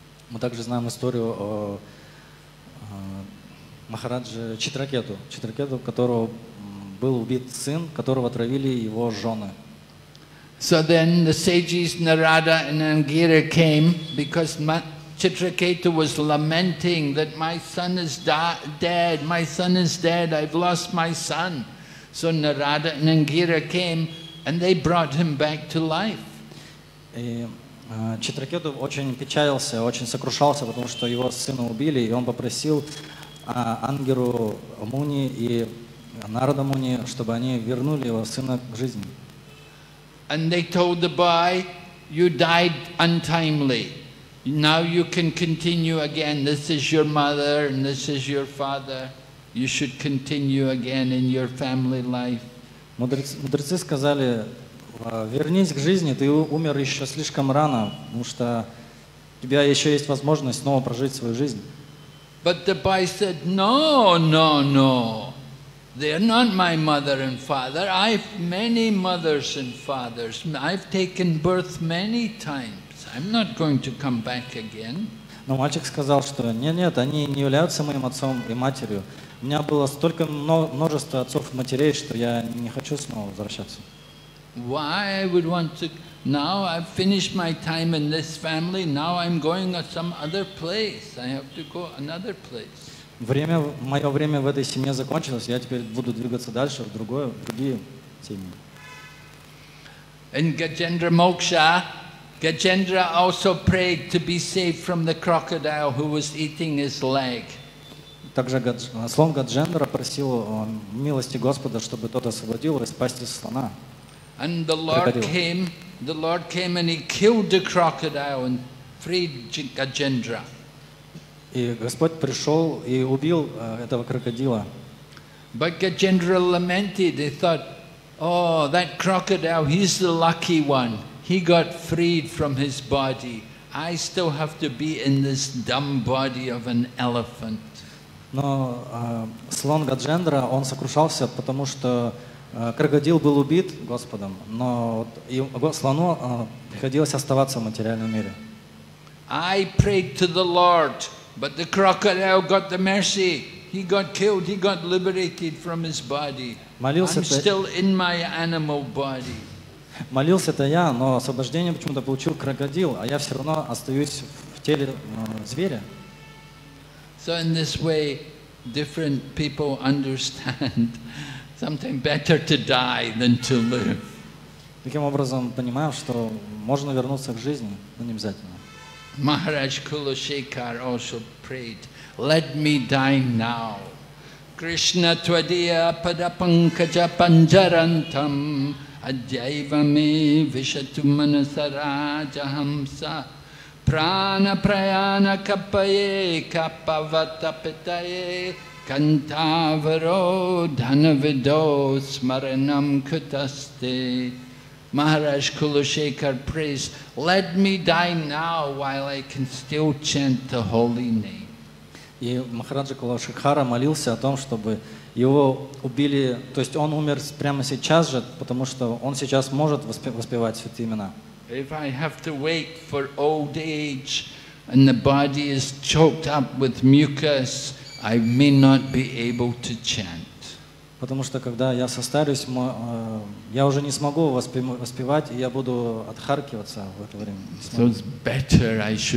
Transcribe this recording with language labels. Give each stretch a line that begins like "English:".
Russian: Мы также знаем историю о Махарадже Читракету, которого был убит сын, которого отравили его жены.
English: So then the sages Narada and Angira came because Chitraketu was lamenting that my son is dead, I've lost my son. So Narada and Angira came and they brought him back to life.
Russian: И Читракету очень печалился, очень сокрушался, потому что его сына убили, и он попросил Ангиру Муни и Нарада Муни, чтобы они вернули его сына к жизни.
English: And they told the boy, you died untimely. Now you can continue again. This is your mother and this is your father. You should continue again in your family life.
Russian: Мудрецы сказали, вернись к жизни, ты умер еще слишком рано, потому что у тебя еще есть возможность снова прожить свою жизнь.
English: Said, no. They are not my mother and father. I've many mothers and fathers. I've taken birth many times. I'm not going to come back again.
Russian: Но мальчик сказал, что нет, они не являются моим отцом и матерью. У меня было столько множество отцов и матерей, что я не хочу снова возвращаться.
English: Why I would want to, now I've finished my time in this family, now I'm going to some other place. I have to go another place.
Russian: Время, мое время в этой семье закончилось, я теперь буду двигаться дальше в другое, в другие семьи.
English: In Gajendra Moksha, Gajendra also prayed to be saved from the crocodile who was eating his leg.
Russian: Также слон Гаджендра просил милости Господа, чтобы тот освободил и спас слона.
English: And the Lord came and he killed the crocodile and freed Gajendra.
Russian: И Господь пришел и убил этого крокодила.
English: But Gajendra lamented, he thought, oh, that crocodile, he's the lucky one. He got freed from his body. I still have to be in this dumb body of an elephant.
Russian: Но слон Гаджендра, он сокрушался, потому что крокодил был убит Господом, но слону приходилось оставаться в материальном мире.
English: I prayed to the Lord, but the crocodile got the mercy. He got killed, he got liberated from his body. I'm still in my animal body.
Russian: Молился-то я, но освобождение почему-то получил крокодил, а я все равно остаюсь в теле зверя.
English: So in this way, different people understand something better to die than to live.
Russian: Таким образом, понимаю, что можно вернуться к жизни, но не обязательно.
English: Maharaj Kulushikar also prayed, let me die now.
Sanskrit: Krishna Twadiya Padapankaja Panjarantam Adyaivame Vishatumanasarajahamsa Prana Prayana Kapaye Kapavatapitaye Kantavaro Dhanavido Smaranam Kutaste.
English: Maharaj Kulushekar prays, let me die now while I can still chant the holy name.
Russian: И Махараджа Кулашекхара молился о том, чтобы его убили, то есть он умер прямо сейчас же, потому что он сейчас может воспевать святые имена.
English: If I have to wait for old age and the body is choked up with mucus, I may not be able to chant.
Russian: Потому что когда я состарюсь, я уже не смогу воспевать, и я буду отхаркиваться в это время.